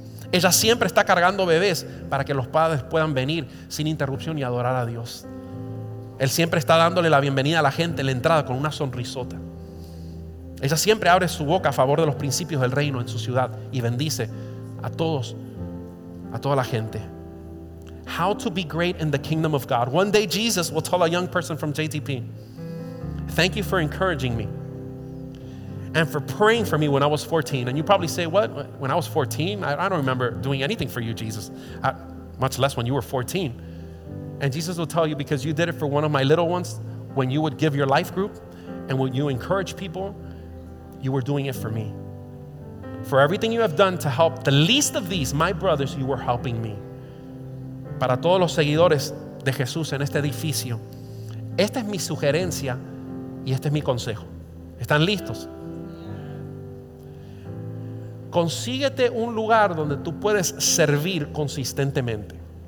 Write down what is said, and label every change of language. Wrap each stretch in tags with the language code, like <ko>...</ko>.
<es>Ella siempre está cargando bebés para que los padres puedan venir sin interrupción y adorar a Dios. Él siempre está dándole la bienvenida a la gente en la entrada con una sonrisota. Ella siempre abre su boca a favor de los principios del reino en su ciudad y bendice a todos, a toda la gente.</es> <en>How to be great in the kingdom of God. One day Jesus will tell a young person from JTP, thank you for encouraging me and for praying for me when I was 14. And you probably say, what? When I was 14? I don't remember doing anything for you, Jesus. Much less when you were 14. And Jesus will tell you, because you did it for one of my little ones when you would give your life group and when you encourage people, you were doing it for me. For everything you have done to help the least of these, my brothers, you were helping me.</en> <es>Para todos los seguidores de Jesús en este edificio, esta es mi sugerencia y este es mi consejo. ¿Están listos? Consíguete un lugar donde tú puedes servir consistentemente.</es>